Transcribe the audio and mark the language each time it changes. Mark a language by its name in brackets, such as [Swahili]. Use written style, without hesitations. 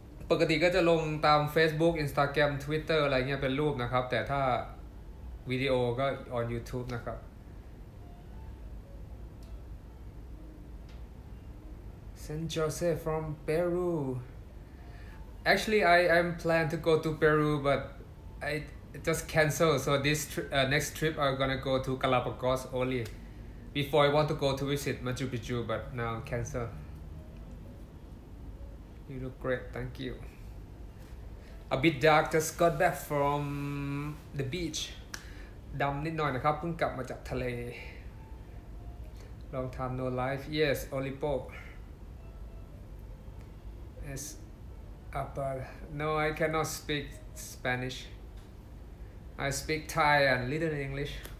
[Thai] ปกติก็จะลงตาม Facebook, Instagram, Twitter อะไรเงี้ยเป็นรูปนะครับแต่ถ้าวิดีโอก็ on YouTube นะครับ [English] Saint Joseph from Peru. Actually, I'm plan to go to Peru, but I just canceled. So this next trip, I'm gonna go to Galapagos only. Before I want to go to visit Machu Picchu, but now cancel. You look great, thank you. A bit dark, just got back from the beach. [Thai] ดำนิดหน่อยนะครับเพิ่งกลับมาจากทะเล [English] Long time no life. Yes, Olipo. [Spanish] Es apar. [English] No, I cannot speak Spanish. I speak Thai and little English.